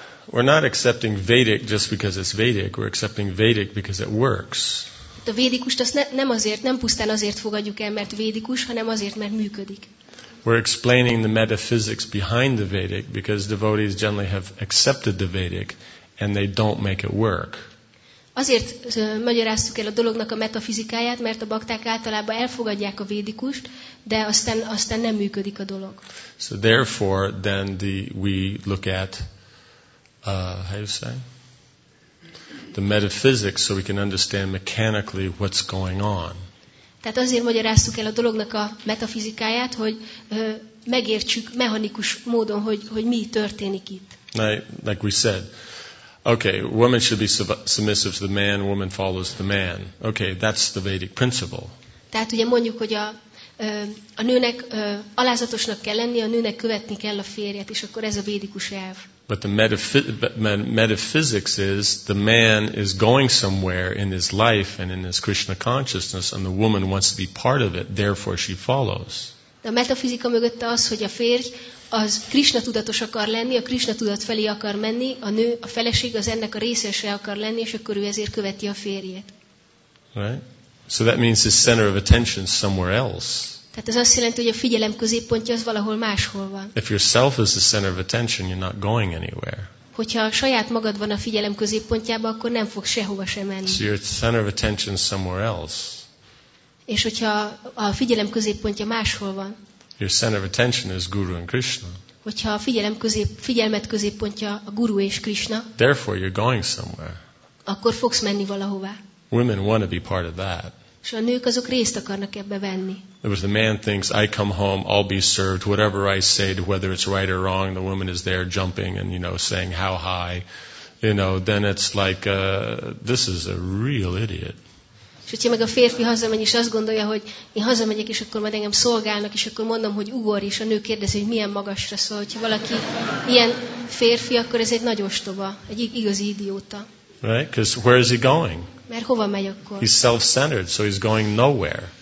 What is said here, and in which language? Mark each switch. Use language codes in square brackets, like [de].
[en] We're not accepting Vedic just because it's Vedic, we're accepting Vedic because it works. [hu] A védikust azt nem pusztán azért fogadjuk el, mert védikus, hanem azért, mert működik. [en] We're explaining the metaphysics behind the Vedic because devotees generally have accepted the Vedic and they don't make it work. [hu] Azért magyaráztuk el a dolognak a metafizikáját, mert a bakták általában elfogadják a védikust, de aztán nem működik a dolog. [en] So therefore then we look at how you say? The metaphysics so we can understand mechanically what's going on. [hu] Tehát azért magyaráztuk el a dolognak a metafizikáját, hogy megértsük mechanikus módon, hogy mi történik itt. [en] Like we said, okay, woman should be submissive to the man, woman follows the man. Okay, that's the Vedic principle. [hu] Tehát ugye mondjuk, hogy a nőnek alázatosnak kell lenni, a nőnek követni kell a férjet, és akkor ez a védikus elv. [en] But the metaphysics is the man is going somewhere in his life and in his Krishna consciousness and the woman wants to be part of it, therefore she follows. [hu] De a metafizika mögötte az, hogy a férj az Krishna tudatos akar lenni, a Krishna tudat felé akar menni, a nő, a feleség az ennek a részese akar lenni, és akkor ő ezért követi a férjét. [en] Right? So that means his center of attention is somewhere else. [hu] Tehát ez azt jelenti, hogy a figyelem középpontja az valahol máshol van. [en] If yourself is the center of attention, you're not going anywhere. [hu] Hogyha a saját magad van a figyelem középpontjában, akkor nem fog sehova sem menni. [en] So your center of attention is somewhere else. [hu] És hogyha a figyelem középpontja máshol van. [en] Your center of attention is Guru and Krishna. [hu] Hogyha a figyelmet középpontja a Guru és Krishna. [en] Therefore you're going somewhere. [hu] Akkor fogsz menni valahová. [en] Women want to be part of that. [hu] És a nők azok részt akarnak ebbe venni. [en] If the man thinks I come home, I'll be served, whatever I say, whether it's right or wrong, the woman is there jumping and you know saying how high, you know, then it's like this is a real idiot. [hu] És hogyha meg a férfi hazamegy és azt gondolja, hogy én hazamegyek és akkor majd engem szolgálnak és akkor mondom, hogy ugorj, és a nő kérdezi, hogy milyen magasra szól, hogyha valaki ilyen férfi, akkor ez egy nagy ostoba, egy igazi idióta. [en] Right? Because where is he going? [hu] Mert hova megy akkor? [en] He's self-centered, so he's going nowhere.